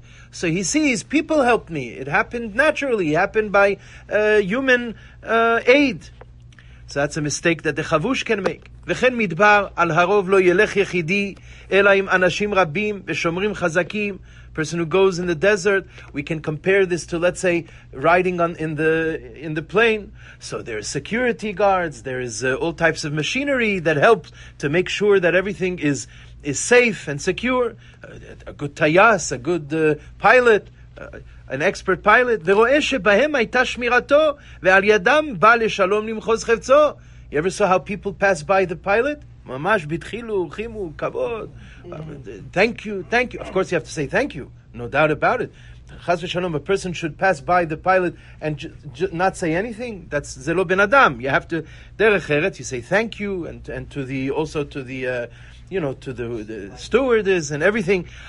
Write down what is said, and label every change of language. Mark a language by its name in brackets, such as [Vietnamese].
[English] So he sees, people helped me. It happened naturally, it happened by human aid. So that's a mistake that the chavush can make. [Hebrew] וכן מדבר על הרוב לא ילך יחידי, אלא עם אנשים רבים ושומרים חזקים. [English] Person who goes in the desert, we can compare this to, let's say, riding on in the plane. So there is security guards, there is all types of machinery that helps to make sure that everything is safe and secure. A good tayas, a good pilot, an expert pilot. [Hebrew] ורואה שבהם הייתה שמירתו, ועל ידם בא לשלום למחוז חפצו. [English] You ever saw how people pass by the pilot? [Hebrew] Mamash bitchilu chimu kavod. [English] Thank you, thank you. Of course, you have to say thank you. No doubt about it. Chas v'shalom, a person should pass by the pilot and not say anything. That's zelo ben adam. You have to derech eret. You say thank you and to the also to the you know to the stewardess and everything.